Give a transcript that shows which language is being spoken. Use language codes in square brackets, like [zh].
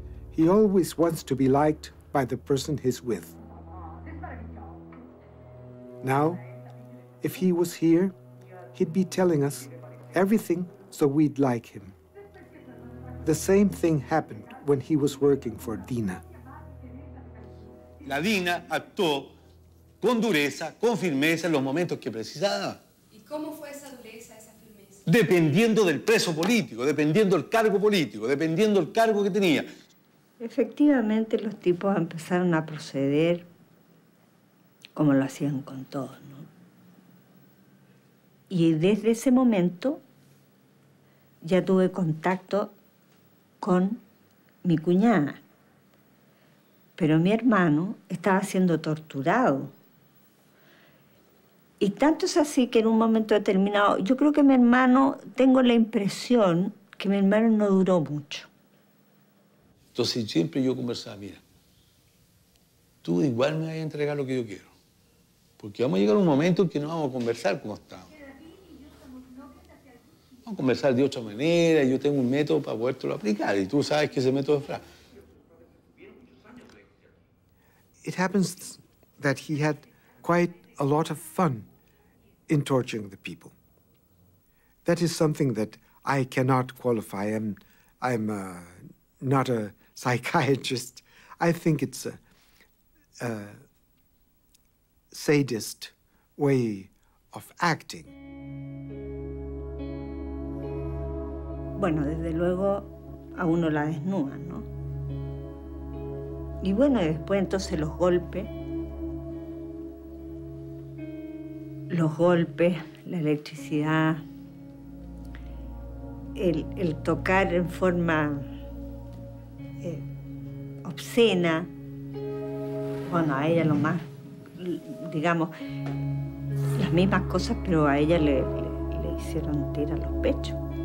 [en] He always wants to be liked by the person he's with. Now, if he was here, he'd be telling us everything so we'd like him. The same thing happened when he was working for Dina. [es] La Dina actuó con dureza, con firmeza en los momentos que precisaba. ¿Y cómo fue esa dureza, esa firmeza? Dependiendo del preso político, dependiendo del cargo político, dependiendo del cargo que tenía. Efectivamente, los tipos empezaron a proceder como lo hacían con todos, ¿no? Y desde ese momento ya tuve contacto con mi cuñada. Pero mi hermano estaba siendo torturado. Y tanto es así que en un momento determinado, yo creo que mi hermano, tengo la impresión que mi hermano no duró mucho. Entonces siempre yo conversaba, mira, tú igual me vas a entregar lo que yo quiero. Porque vamos a llegar a un momento en que no vamos a conversar como estamos. Vamos a conversar de otra manera, yo tengo un método para poderte lo aplicar. Y tú sabes que ese método es fraco. [en] It happens that he had quite a lot of fun in torturing the people. That is something that I cannot qualify. I'm not a psychiatrist. I think it's a sadist way of acting. [es] Bueno, desde luego a uno la desnuda, ¿no? Y bueno, después entonces los golpes. Los golpes, la electricidad, el tocar en forma obscena, bueno, a ella lo más, digamos, las mismas cosas, pero a ella le hicieron tirar los pechos.